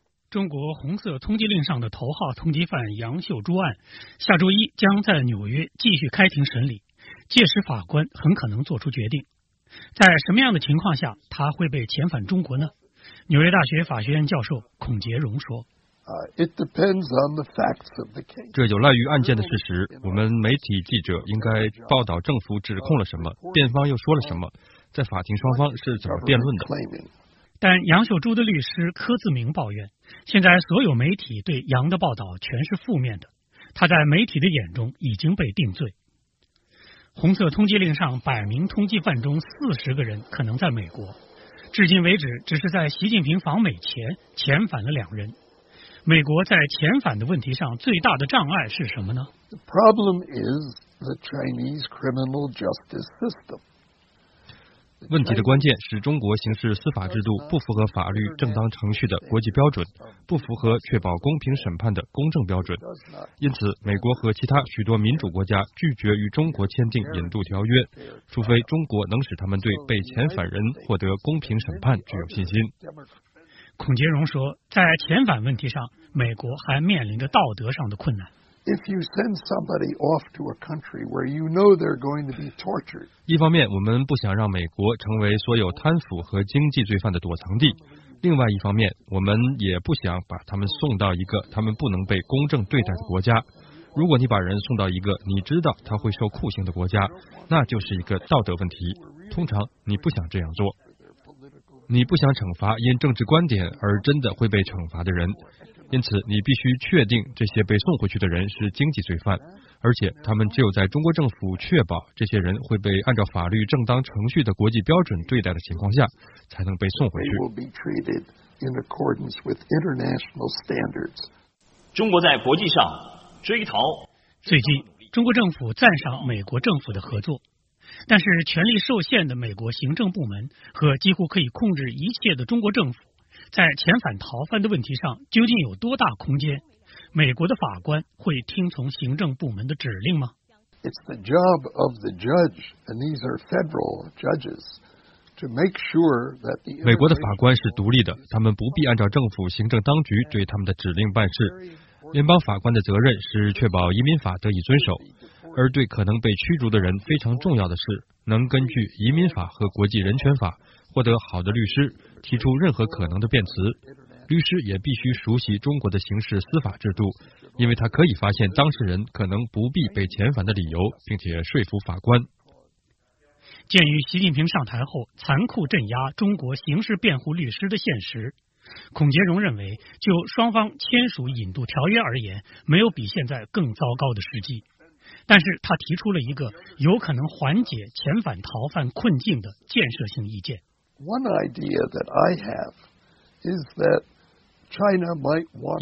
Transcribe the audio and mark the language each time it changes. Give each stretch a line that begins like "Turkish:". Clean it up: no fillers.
Chinese: 中国红色通缉令上的头号通缉犯杨秀珠案下周一将在纽约继续开庭审理，届时法官很可能做出决定。在什么样的情况下他会被遣返中国呢？纽约大学法学院教授孔杰荣说，
English: It depends on the facts of the case.
Chinese: 这有赖于案件的事实，我们媒体记者应该报道政府指控了什么，辩方又说了什么，在法庭双方是怎么辩论的。但杨秀珠的律师柯自明抱怨，现在所有媒体对杨的报道全是负面的，他在媒体的眼中已经被定罪。红色通缉令上百名通缉犯中40个人可能在美国，至今为止只是在习近平访美前遣返了2人。美国在遣返的问题上最大的障碍是什么呢？
English: The problem is the Chinese criminal justice system.
Chinese: 问题的关键是中国刑事司法制度不符合法律正当程序的国际标准，不符合确保公平审判的公正标准。因此美国和其他许多民主国家拒绝与中国签订引渡条约，除非中国能使他们对被遣返人获得公平审判具有信心。孔杰荣说，在遣返问题上美国还面临着道德上的困难。
English: If you send somebody off to a country where you know they're going to be tortured,
Chinese: 一方面我们不想让美国成为所有贪腐和经济罪犯的躲藏地，另外一方面我们也不想把他们送到一个他们不能被公正对待的国家。如果你把人送到一个你知道他会受酷刑的国家，那就是一个道德问题，通常你不想这样做。你不想惩罚因政治观点而真的会被惩罚的人，因此你必须确定这些被送回去的人是经济罪犯，而且他们只有在中国政府确保这些人会被按照法律正当程序的国际标准对待的情况下才能被送回去。中国在国际上追逃，最近中国政府赞赏美国政府的合作，但是权力受限的美国行政部门和几乎可以控制一切的中国政府在遣返逃犯的问题上究竟有多大空间？美国的法官会听从行政部门的指令吗？
English: It's the job of the judge, and these are federal judges, to make sure that the
Chinese: 美国的法官是独立的，他们不必按照政府行政当局对他们的指令办事。联邦法官的责任是确保移民法得以遵守，而对可能被驱逐的人非常重要的是能根据移民法和国际人权法获得好的律师，提出任何可能的辩词。律师也必须熟悉中国的刑事司法制度，因为他可以发现当事人可能不必被遣返的理由，并且说服法官。鉴于习近平上台后残酷镇压中国刑事辩护律师的现实，孔杰荣认为就双方签署引渡条约而言，没有比现在更糟糕的时机。但是他提出了一个有可能缓解遣返逃犯困境的建设性意见。
English: One idea that I have is that China might want.